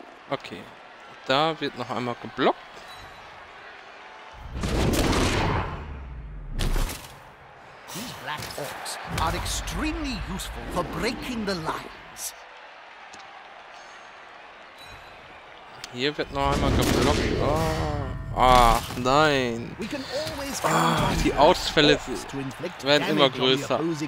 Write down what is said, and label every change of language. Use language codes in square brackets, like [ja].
[de] Okay, da wird noch einmal geblockt. [en] These black orcs are extremely useful for breaking the lines. [de] Hier wird noch einmal geblockt. Oh. Ach nein. [en] We can always [de] die Ausfälle werden immer größer.